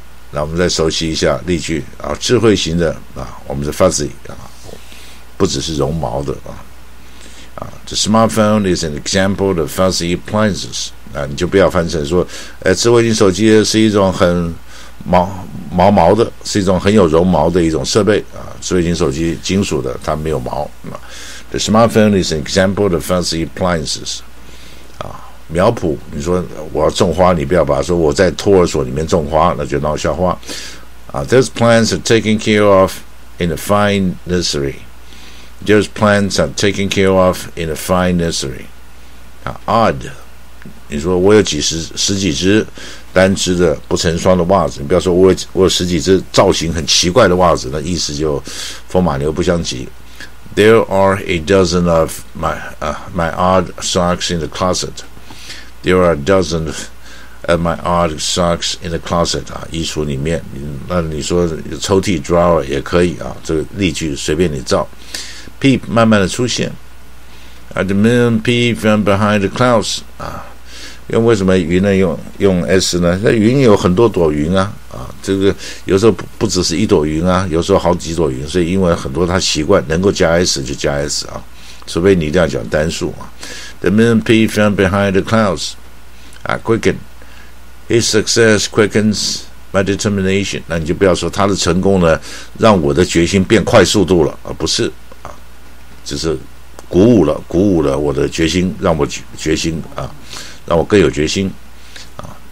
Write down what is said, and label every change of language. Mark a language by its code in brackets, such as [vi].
[zh] 那我们再熟悉一下例句啊，智慧型的啊，我们的 fuzzy 啊，不只是绒毛的啊，啊 ， [en] the smartphone is an example of fuzzy appliances [zh] 啊，你就不要翻成说，智慧型手机是一种很毛的，是一种很有绒毛的一种设备啊，智慧型手机金属的，它没有毛啊 ，the smartphone is an example of fuzzy appliances。苗圃，你说我要种花，你不要把说我在托儿所里面种花，那就闹笑话啊。 [en] Those plants are taken care of in a fine nursery. Those plants are taken care of in a fine nursery. [zh] 啊 ，odd， 你说我有十几只单只的不成双的袜子，你不要说我有十几只造型很奇怪的袜子，那意思就风马牛不相及。 [en] There are a dozen of my odd socks in the closet. There are dozens of my odd socks in the closet 啊， [zh] 衣橱里面。那你说抽屉 drawer 也可以啊，这个例句随便你造。 [en] Peep [zh] 慢慢的出现 [en] ，the moon peep from behind the clouds 啊。 [zh] 因为什么云呢？用 s 呢？那云有很多朵云啊，这个有时候不只是一朵云啊，有时候好几朵云，所以英文很多它习惯能够加 s 就加 s 啊，除非你一定要讲单数啊。 [en] The moon peeped from behind the clouds. Quicken. His success quickens my determination. [zh] 那你就不要说他的成功呢，让我的决心变快速度了，而不是啊，就是鼓舞了我的决心，让我决心啊，让我更有决心啊。